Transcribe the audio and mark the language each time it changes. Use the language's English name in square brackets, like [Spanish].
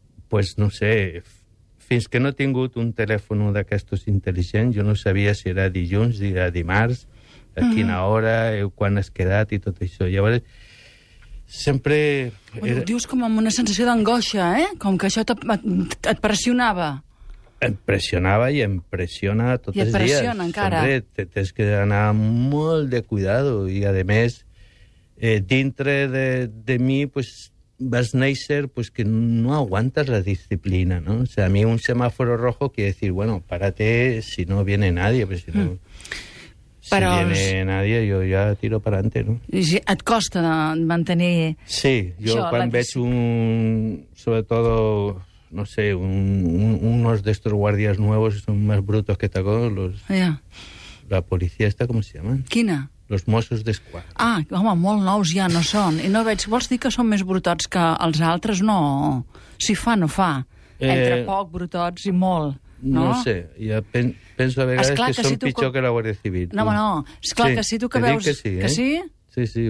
[Catalan] Pues no sé, fins que no he tingut un telèfon d'aquestos intel·ligents, jo no sabia si era dilluns, si era dimarts, a quina hora, quan has quedat i tot això. Llavors, sempre... Ho dius com amb una sensació d'angoixa, eh? Com que això et pressionava. Em pressionava i em pressiona tots els dies. I et pressiona encara. Sempre tens que anar molt de cuidado. I, a més, dintre de mi, pues, vas néixer pues, que no aguantes la disciplina, no? [Spanish] O sea, a mi un semàforo rojo quiere decir, bueno, párate si no viene nadie, pues, si no... [Catalan] Però [Spanish] si viene nadie, [Catalan] jo ja tiro per ante, no? Et costa mantenir... Sí, jo això, quan veig un... Sobretot, no sé, [Spanish] unos de estos guardias nuevos son más brutos que tacó, los... Yeah. La policía esta, ¿cómo se llaman? [Catalan] ¿Quina? [Spanish] Los Mossos d'Esquadra. [Catalan] Ah, home, molt nous ja no són. I no veig... Vols dir que són més brutots que els altres? No. Si fa, no fa. Entre poc, brutots i molt. No, no sé, ja penso a vegades esclar que són pitjor que la Guàrdia Civil. No. Esclar sí, que si tu que veus... Que sí, eh? Que sí? Sí, sí.